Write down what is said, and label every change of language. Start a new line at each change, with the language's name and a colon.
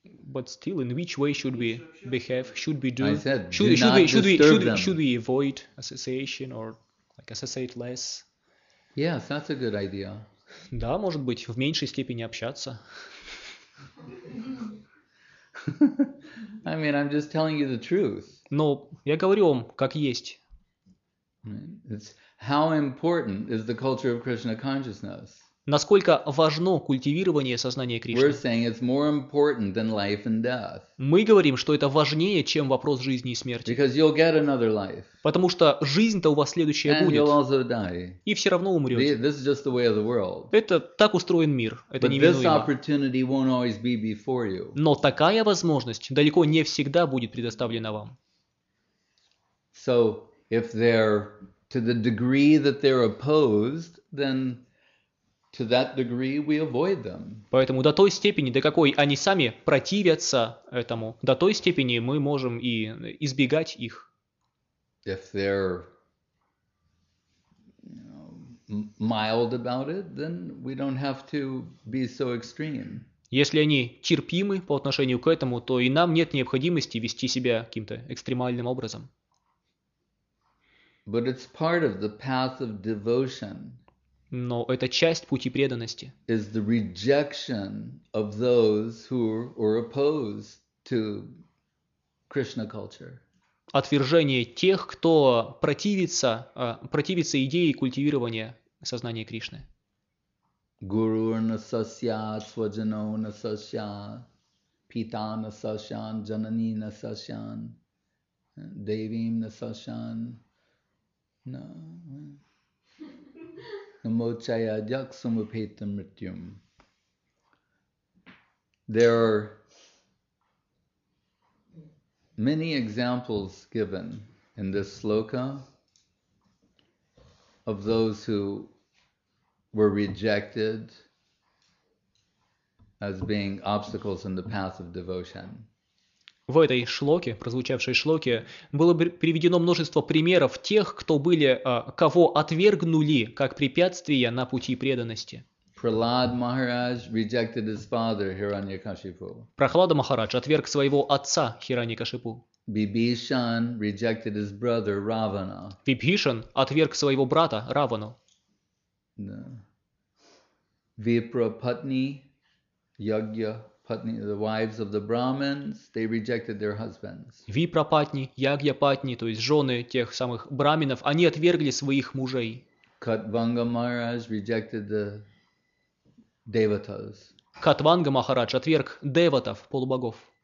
English: But still, in which way should we behave? Should we do? I said, do not disturb them. Should we avoid association or like associate less? Yes, that's a good idea.
Russian: Да, может быть, в меньшей степени общаться.
English: I mean, I'm just telling you the truth.
Russian: Но я говорю вам, как есть.
English: It's how important is the culture of Krishna consciousness?
Russian: Насколько важно культивирование сознания Кришны?
English: We're saying it's more important than life and death.
Russian: Мы говорим, что это важнее, чем вопрос жизни и смерти.
English: Because you'll get another life.
Russian: Потому что жизнь-то у вас следующая
English: and
Russian: будет.
English: You'll also die.
Russian: И все равно умрете.
English: This is just the way of the world.
Russian: Это так устроен мир. Это
English: But
Russian: неминуемо.
English: This opportunity won't always be before you.
Russian: Но такая возможность далеко не всегда будет предоставлена вам.
English: So, if they're to the degree that they're opposed, then to that degree we avoid them.
Russian: Поэтому до той степени, до какой они сами противятся этому, до той степени мы можем и избегать их.
English: If they're mild about it, then we don't have to be so extreme.
Russian: Если они терпимы по отношению к этому, то и нам нет необходимости вести себя каким-то экстремальным образом.
English: But it's part of the path of devotion.
Russian: Но это часть пути преданности.
English: Is the rejection of those who are opposed to Krishna culture.
Russian: Отвержение тех, кто противится идее культивирования сознания Кришны.
Sanskrit: Guru nasasya, swajano nasasya, pita nasasyan, janani nasasyan, devim nasasyan.
English: No.
Sanskrit: Namochaya yaksamupetam rityum.
English: There are many examples given in this sloka of those who were rejected as being obstacles in the path of devotion.
Russian: В этой шлоке, прозвучавшей шлоке, было приведено множество примеров тех, кто были, кого отвергнули как препятствия на пути преданности.
English: Prahlad Maharaj rejected his father, Hiranyakashipu.
Russian: Прохлада Махарадж отверг своего отца Хираньякашипу.
English: Bibhishan rejected his brother Ravana.
Russian: Vibhishan отверг своего брата Равану.
Sanskrit: Vipra Patni, Yagya.
English: Patni, the wives of the Brahmins, they rejected their husbands.
Russian: Випрапатни, Ягьяпатни, то есть жены тех самых браминов, они отвергли своих мужей.
English: Катванга Махарадж rejected the devatas.
Russian: Катванга Махарадж отверг деватов, полубогов.